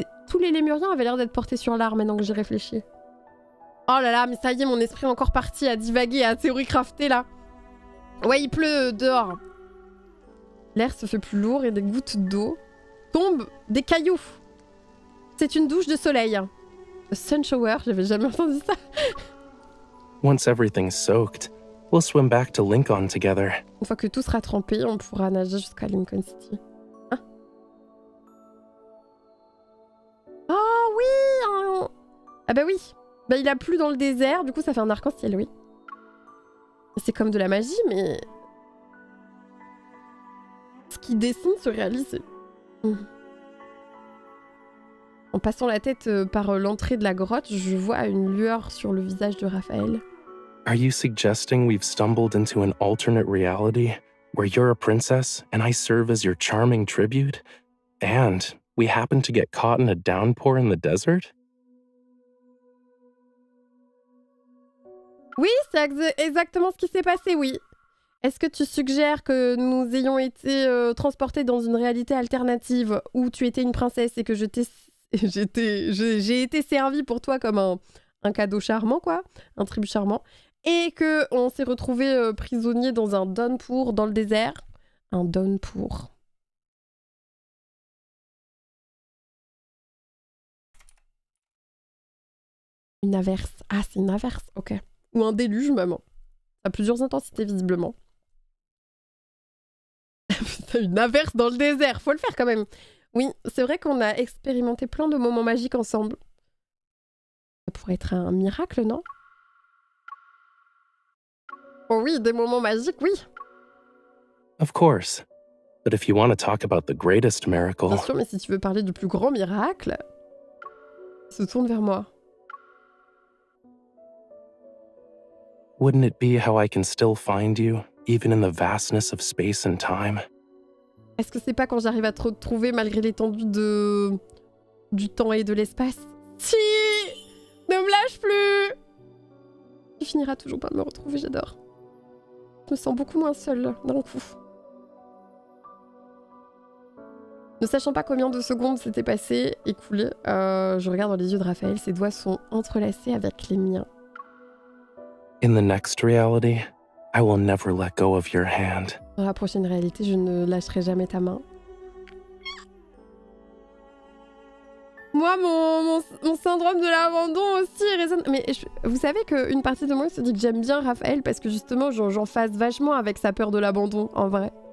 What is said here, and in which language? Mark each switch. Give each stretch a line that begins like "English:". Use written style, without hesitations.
French: Tous les lémuriens avaient l'air d'être portés sur l'art, maintenant que j'y réfléchis. Oh là là, mais ça y est, mon esprit est encore parti à divaguer, à théorie craftée, là. Ouais, il pleut dehors. L'air se fait plus lourd et des gouttes d'eau tombent des cailloux. C'est une douche de soleil.
English: A sun shower,
French: j'avais jamais entendu ça.
English: Once everything's soaked, we'll swim back to Lincoln together.
French: Une fois que tout sera trempé, on pourra nager jusqu'à Lincoln City. Hein? Oh oui! Ah bah oui! Bah il a plu dans le désert, du coup ça fait un arc-en-ciel, oui. C'est comme de la magie, mais... Ce qu'il dessine se réalise. En passant la tête par l'entrée de la grotte, je vois une lueur sur le visage de Raphaël.
English: Are you suggesting we've stumbled into an alternate reality where you're a princess and I serve as your charming tribute? And we happen to get caught in a downpour in the desert?
French: Oui, c'est exactement ce qui s'est passé, oui. Est-ce que tu suggères que nous ayons été transportés dans une réalité alternative où tu étais une princesse et que je t'ai... j'ai été servie pour toi comme un cadeau charmant, quoi. Un tribut charmant. Et qu'on s'est retrouvé prisonnier dans un downpour dans le désert. Un downpour. Une averse. Ah, c'est une averse, ok. Ou un déluge, maman. À plusieurs intensités, visiblement. Une averse dans le désert, faut le faire quand même. Oui, c'est vrai qu'on a expérimenté plein de moments magiques ensemble. Ça pourrait être un miracle, non? Oh oui, des moments magiques, oui.
English: Of course. But if you want to talk about the greatest miracle.
French: Bien sûr, mais si tu veux parler du plus grand miracle, se tourne vers moi.
English: Wouldn't it be how I can still find you even in the vastness of space and time?
French: Est-ce que c'est pas quand j'arrive à te retrouver malgré l'étendue de du temps et de l'espace? Si! Ne me lâche plus. Tu finiras toujours par me retrouver, j'adore. Je me sens beaucoup moins seule d'un coup. Ne sachant pas combien de secondes s'étaient passées, écoulées, je regarde dans les yeux de Raphaël, ses doigts sont entrelacés avec les miens.
English: In the next reality, I will never let go of your hand.
French: Dans la prochaine réalité, je ne lâcherai jamais ta main. Moi, mon syndrome de l'abandon aussi résonne. Mais vous savez qu'une partie de moi se dit que j'aime bien Raphaël parce que justement, j'en fasse vachement avec sa peur de l'abandon, en vrai.